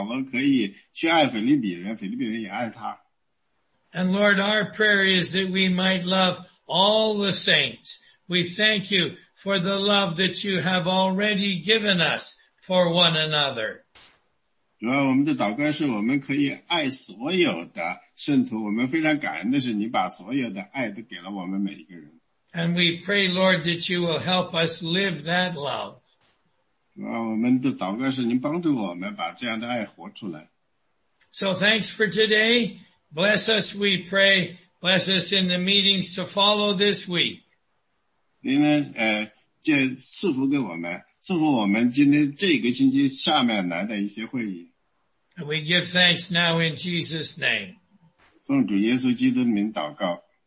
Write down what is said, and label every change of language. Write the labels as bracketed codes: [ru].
[zh] 我们非常感恩的是使徒保罗可以去爱腓立比人，腓立比人也爱他。 [en] And Lord, our prayer is that we might love all the saints. We thank you for the love that you have already given us for one another. [zh] 主啊，我们的祷告是我们可以爱所有的圣徒。我们非常感恩的是，你把所有的爱都给了我们每一个人。 [en] And we pray, Lord, that you will help us live that love. [zh] 主啊，我们的祷告是您帮助我们把这样的爱活出来。 [en] So thanks for today. Bless us, we pray. Bless us in the meetings to follow this week. [zh] 您呢，就赐福给我们。祝福我们今天这个星期下面来的一些会议。 [en] We give thanks now in Jesus' name. [zh] 奉主耶稣基督的名祷告。